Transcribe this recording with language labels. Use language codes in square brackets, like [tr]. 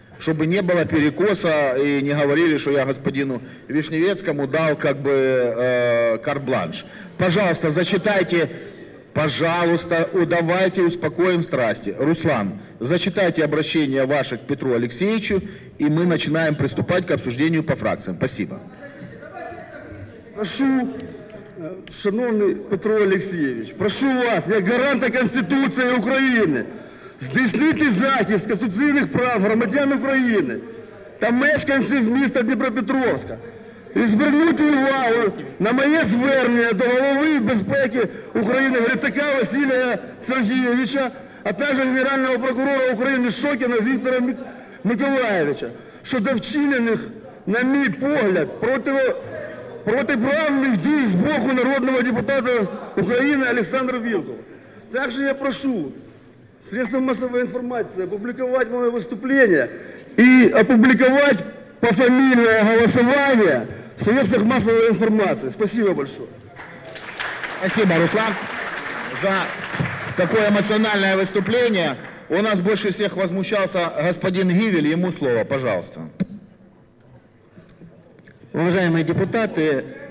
[ru] Чтобы не было перекоса и не говорили, что я господину Вишневецкому дал как бы карт-бланш. Пожалуйста, зачитайте... Пожалуйста, давайте успокоим страсти. Руслан, зачитайте обращение ваше к Петру Алексеевичу, и мы начинаем приступать к обсуждению по фракциям. Спасибо. [uk] Прошу, шановный Петро Алексеевич, прошу вас, як гаранта Конституції України, здійснити захист конституційних прав громадян України та мешканців міста Дніпропетровська. І звернути увагу на моє звернення до голови безпеки України Грицака Василія Сергійовича, а також Генерального прокурора України Шокіна Віктора Миколаєвича щодо вчинених, на мій погляд, протиправних дій з боку народного депутата України Олександра Вілкова. Також я прошу средства масової інформації опублікувати моє виступлення і опублікувати пофамільне голосування [ru] в средствах массовой информации. Спасибо большое. Спасибо, Руслан, за такое эмоциональное выступление. У нас больше всех возмущался господин Гивель. Ему слово, пожалуйста. Уважаемые депутаты,